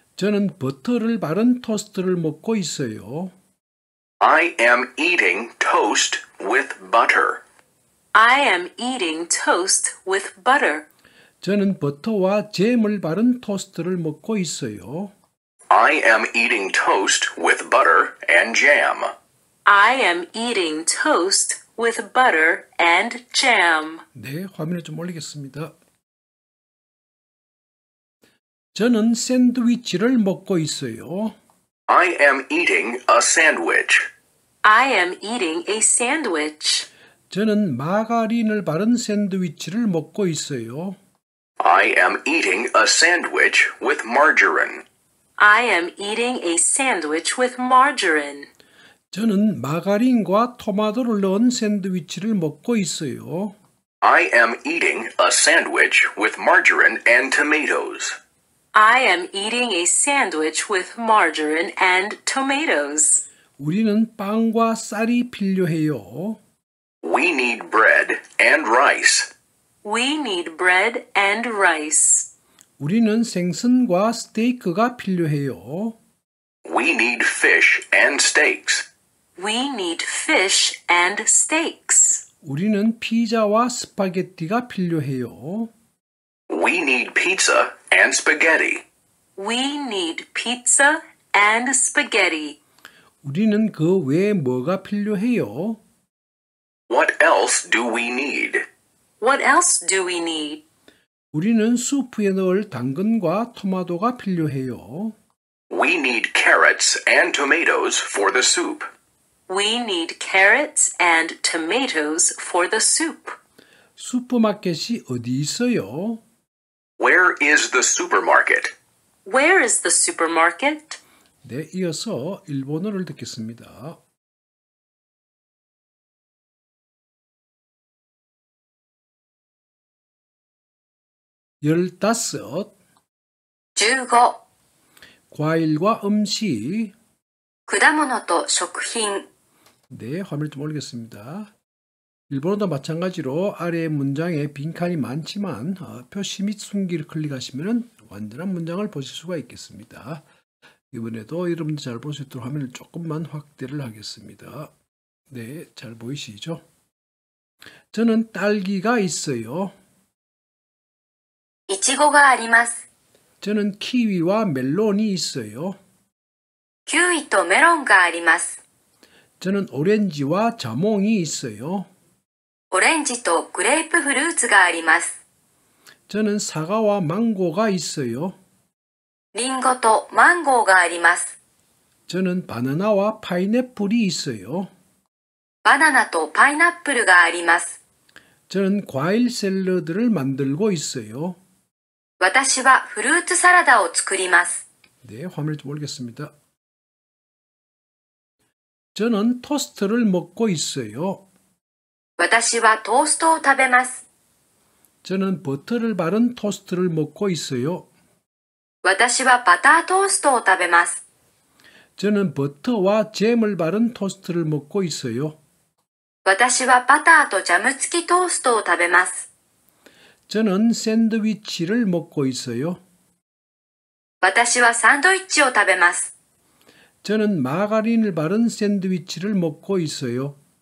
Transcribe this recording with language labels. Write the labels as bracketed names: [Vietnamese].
[Korean] 저는 버터를 바른 토스트를 먹고 있어요. [English] I am eating toast with butter. I am eating toast with butter. [Korean] 저는 버터와 잼을 바른 토스트를 먹고 있어요. [English] I am eating toast with butter and jam. I am eating toast with butter and jam. [Korean] 네, 화면을 좀 올리겠습니다. 저는 샌드위치를 먹고 있어요. [English] I am eating a sandwich. I am eating a sandwich. [Korean] 저는 마가린을 바른 샌드위치를 먹고 있어요. [English] I am eating a sandwich with margarine. I am eating a sandwich with margarine. [Korean] 저는 마가린과 토마토를 넣은 샌드위치를 먹고 있어요. [English] I am eating a sandwich with margarine and tomatoes. I am eating a sandwich with margarine and tomatoes. [Korean] 우리는 빵과 쌀이 필요해요. [English] We need bread and rice. We need bread and rice. [Korean] 우리는 생선과 스테이크가 필요해요. [English] We need fish and steaks. We need fish and steaks. [Korean] 우리는 피자와 스파게티가 필요해요. [English] We need pizza and spaghetti. We need pizza and spaghetti. [Korean] 우리는 그 외에 뭐가 필요해요? [English] What else do we need? What else do we need? [Korean] 우리는 수프에 넣을 당근과 토마토가 필요해요. [English] We need carrots and tomatoes for the soup. We need carrots and tomatoes for the soup. [Korean] 슈퍼마켓이 어디 있어요? [English] Where is the supermarket? Where is the supermarket? [Korean] 네, 이어서 일본어를 듣겠습니다. 15. 15. 과일과 음식. [Japanese] 果物と食品. [Korean] 네, 화면 좀 올리겠습니다. 일본어도 마찬가지로 아래 문장에 빈칸이 많지만 표시 및 숨기를 클릭하시면 완전한 문장을 보실 수가 있겠습니다. 이번에도 여러분들 잘볼수 있도록 화면을 조금만 확대를 하겠습니다. 네, 잘 보이시죠? 저는 딸기가 있어요. [Japanese] いちごがあります. [Korean] 저는 키위와 멜론이 있어요. [Japanese] キウイとメロンがあります. [Korean] 저는 오렌지와 자몽이 있어요. [Japanese] オレンジとグレープフルーツがあります. [Korean] 저는 사과와 망고가 있어요. [Japanese] リンゴとマンゴーがあります. [Korean] 저는 바나나와 파인애플이 있어요. [Japanese] 바나나とパイナップルがあります. [Korean] 저는 과일 샐러드를 만들고 있어요. [Japanese] 私はフルーツサラダを作ります. [Korean] 네, 화면을 좀 올리겠습니다. 저는 토스트를 먹고 있어요. [Japanese] 私はトーストを食べます. [Korean] 저는 버터를 바른 토스트를 먹고 있어요. [Japanese] 私はバタートーストを食べます. [Korean] 저는 버터와 잼을 바른 토스트를 먹고 있어요. [Japanese] 私はバターとジャム付きトーストを食べます. [Korean] 저는 샌드위치를 먹고 있어요. [Japanese] 私はサンドイッチを食べます. [Korean] 저는 마가린을 바른 샌드위치를 먹고 있어요.